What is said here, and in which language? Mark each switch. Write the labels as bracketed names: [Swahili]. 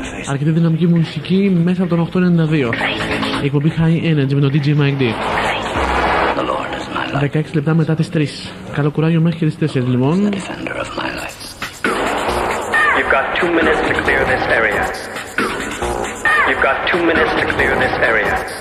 [Greek] Αρκετή δυναμική μουσική μέσα από τον 892. Η εκπομπή High Energy με τον DJ Mike D. 16 λεπτά μετά τις 3. Καλό κουράγιο μέχρι και τις 4 λοιπόν. [English] You've got 2 minutes to clear this area. You've got 2 minutes to clear this area.